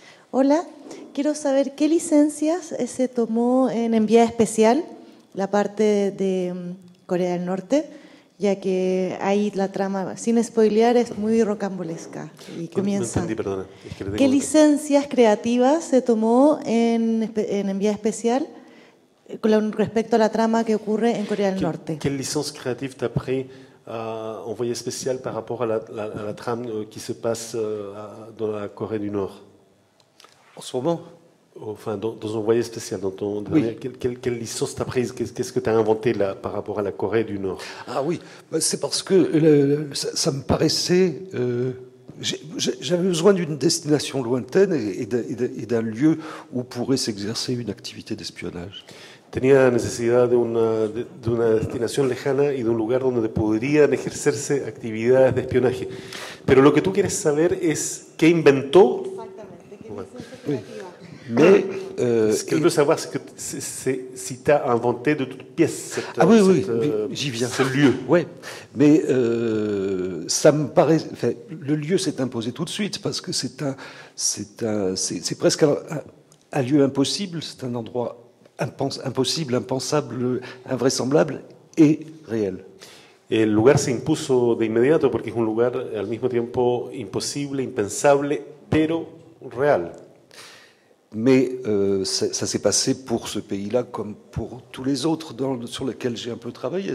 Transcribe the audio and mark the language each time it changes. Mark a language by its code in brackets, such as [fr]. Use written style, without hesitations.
[es] Hola, quiero saber qué licencias se tomó en Enviada Especial, la parte de Corea del Norte, ya que ahí la trama, sin spoilear, es muy rocambolesca. Y comienza. No entendí, perdona. ¿Qué licencias creativas se tomó en Enviada Especial con respecto a la trama que ocurre en Corea del Norte? ¿Qué licencias creativas te ha pris? [fr] Envoyé spécial par rapport à la trame qui se passe dans la Corée du Nord. En ce moment? Enfin, dans un voyage spécial, dans ton oui. quelle licence t'as prise? Qu'est-ce que t'as inventé là par rapport à la Corée du Nord? Ah oui, c'est parce que ça me paraissait. J'avais besoin d'une destination lointaine et d'un lieu où pourrait s'exercer une activité d'espionnage. [es] Tenía necesidad de una destinación lejana y de un lugar donde podrían ejercerse actividades de espionaje. Pero lo que tú quieres saber es qué inventó. Exactamente. [fr] Mais ce qu'elle veut savoir, c'est, que c'est si tu as inventé de toutes pièces cette ah oui, cette, oui, j'y viens. Ce lieu. Ouais. Mais ça me paraît. Enfin, le lieu s'est imposé tout de suite parce que c'est presque un lieu impossible. C'est un endroit impossible, impensable, invraisemblable et réel. [es] Et le lugar se impuso de inmediato [fr] parce que c'est un [es] lugar al mismo tiempo imposible, impensable, pero real. [fr] Mais ça s'est passé pour ce pays-là comme pour tous les autres sur lesquels j'ai un peu travaillé.